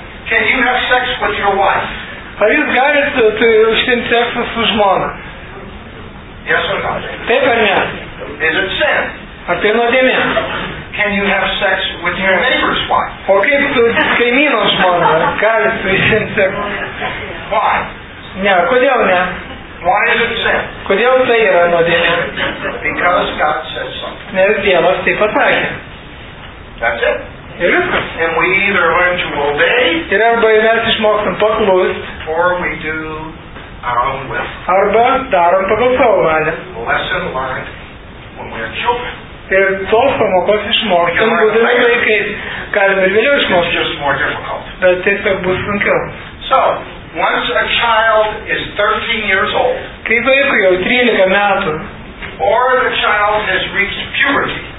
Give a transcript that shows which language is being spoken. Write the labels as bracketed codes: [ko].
[en] Can you have sex with your wife? [lt] Ar jūs galite užsiimti seksą su žmona? [en] Yes or no? [lt] Taip ar ne? [en] Is it sin? [lt] Ar tai nuodėmė? [en] Can you have sex with your neighbor's wife? [lt] O kaip su kaimyno žmona? Galit su įsinti. [en] Why? [lt] Ne, kodėl ne? [en] Why is it sin? [lt] Kodėl tai yra nuodėmė? [en] Because God says something. [lt] Nes Dievas taip pasakė. [en] That's it. [lt] Ir viskas. [en] And we either learn to obey. [lt] Ir arba mes išmokstam paklust. [en] Or we do our own will. [lt] Arba darom pagal savo valią. [en] Lesson learned. [lt] Ir tos pamokos išmokstam būdami vaikais, galime ir vėliau išmokstam, bet tiesiog bus sunkiau. [en] So, once a child is 13 years old, [lt] kai vaikui jau 13 metų, [en] or the child has reached puberty,